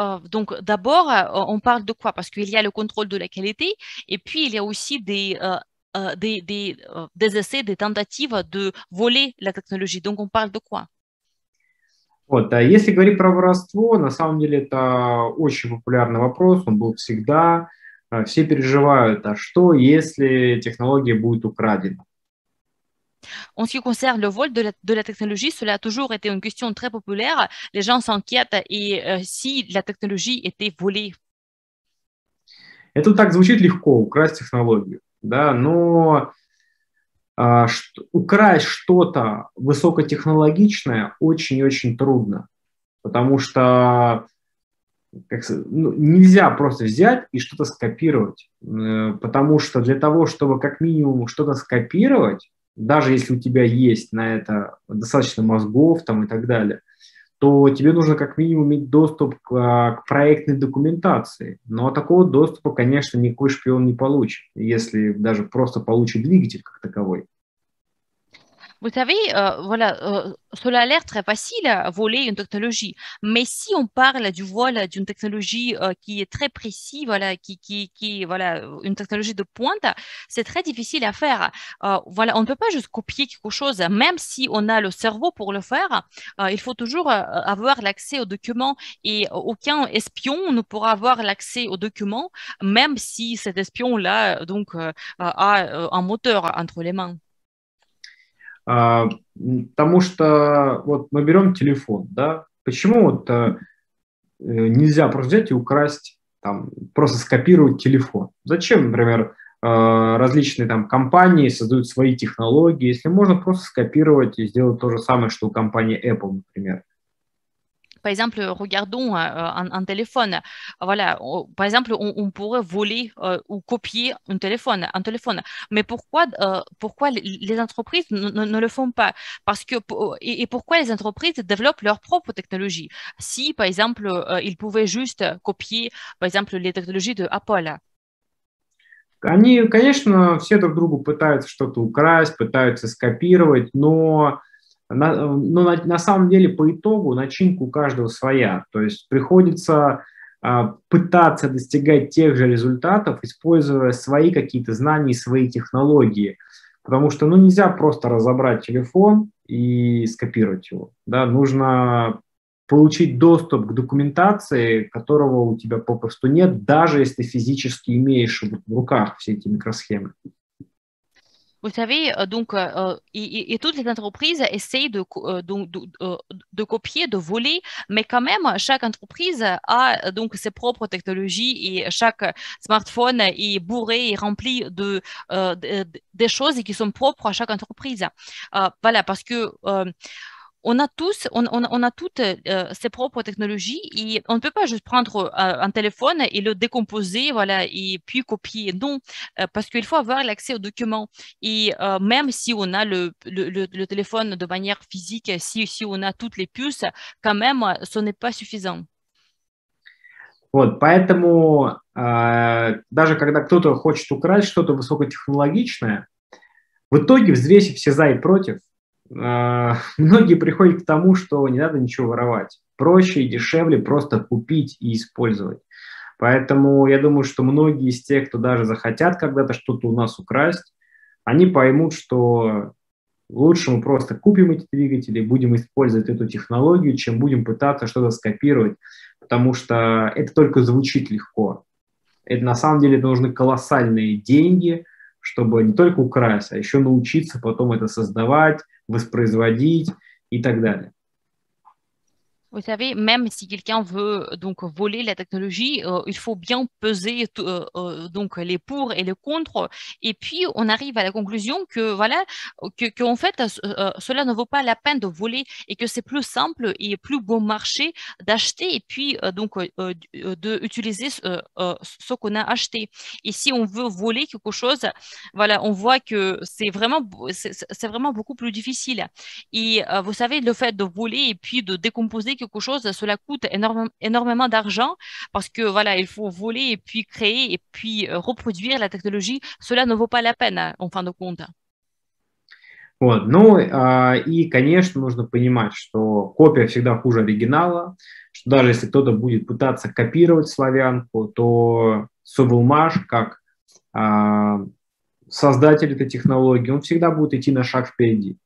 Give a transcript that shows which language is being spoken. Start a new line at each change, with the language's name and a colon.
French: Donc d'abord, on parle de quoi? Parce qu'il y a le contrôle de la qualité, et puis il y a aussi des essais, des tentatives de voler la technologie. Donc on parle de quoi?
Russian: Вот, а если говорить про воровство, на самом деле это очень популярный вопрос, он был всегда, все переживают, а что, если технология будет украдена?
French: En ce qui concerne le vol de la technologie, cela a toujours été une question très populaire, les gens s'inquiètent, et si la technologie était volée?
Russian: Это так звучит легко, украсть технологию, да, но... украсть что-то высокотехнологичное очень-очень трудно, потому что нельзя просто взять и что-то скопировать, потому что для того, чтобы как минимум что-то скопировать, даже если у тебя есть на это достаточно мозгов там и так далее, то тебе нужно как минимум иметь доступ к проектной документации. Но такого доступа, конечно, никакой шпион не получит, если даже просто получит двигатель как таковой.
French: Vous savez, cela a l'air très facile à voler une technologie. Mais si on parle du vol d'une technologie qui est très précise, voilà, une technologie de pointe, c'est très difficile à faire. Voilà, on ne peut pas juste copier quelque chose, même si on a le cerveau pour le faire. Il faut toujours avoir l'accès aux documents et aucun espion ne pourra avoir l'accès aux documents, même si cet espion-là, donc, a un moteur entre les mains.
Russian: Потому что вот мы берем телефон, да? Почему вот нельзя просто взять и украсть, там, просто скопировать телефон? Зачем, например, различные там компании создают свои технологии, если можно просто скопировать и сделать то же самое, что у компании Apple, например?
French: Par exemple, regardons un téléphone. Voilà, par exemple, on pourrait voler ou copier un téléphone. Mais pourquoi les entreprises ne le font pas? Parce que et pourquoi les entreprises développent leur propre technologie? Si, par exemple, ils pouvaient juste copier, par exemple, les technologies de Apple.
Russian: Они, конечно, все друг другу пытаются что-то украсть, пытаются скопировать, но на самом деле по итогу начинка у каждого своя. То есть приходится пытаться достигать тех же результатов, используя свои какие-то знания и свои технологии. Потому что нельзя просто разобрать телефон и скопировать его. Да? Нужно получить доступ к документации, которого у тебя попросту нет, даже если ты физически имеешь в руках все эти микросхемы.
French: Vous savez, donc, et toutes les entreprises essayent de copier, de voler, mais quand même, chaque entreprise a donc ses propres technologies et chaque smartphone est bourré et rempli des choses qui sont propres à chaque entreprise. Voilà, parce que on a toutes ses propres technologies et on ne peut pas juste prendre un téléphone et le décomposer, voilà, et puis copier. Non, parce qu'il faut avoir l'accès aux documents. Et même si on a le téléphone de manière physique, si on a toutes les puces, quand même, ce n'est pas suffisant.
Russian: Вот, поэтому даже когда кто-то хочет украсть что-то высокотехнологичное, в итоге, взвесив все за и против, многие приходят к тому, что не надо ничего воровать. Проще и дешевле просто купить и использовать. Поэтому я думаю, что многие из тех, кто даже захотят когда-то что-то у нас украсть, они поймут, что лучше мы просто купим эти двигатели, будем использовать эту технологию, чем будем пытаться что-то скопировать. Потому что это только звучит легко. Это на самом деле нужны колоссальные деньги, чтобы не только украсть, а еще научиться потом это создавать, воспроизводить и так далее.
French: Vous savez, même si quelqu'un veut donc voler la technologie, il faut bien peser donc les pour et les contre. Et puis on arrive à la conclusion que voilà, que en fait cela ne vaut pas la peine de voler et que c'est plus simple et plus bon marché d'acheter et puis donc de utiliser ce qu'on a acheté. Et si on veut voler quelque chose, voilà, on voit que c'est vraiment beaucoup plus difficile. Et vous savez, le fait de voler et puis de décomposer quelque chose, cela coûte énormément d'argent parce que voilà, il faut voler et puis créer et puis reproduire la technologie. Cela ne vaut pas la peine en fin de compte.
Russian: Вот. Ну, и, конечно, нужно понимать, что копия всегда хуже оригинала, что даже если кто-то будет пытаться копировать славянку, то Совелмаш, как создатель этой технологии, он всегда будет идти на шаг впереди.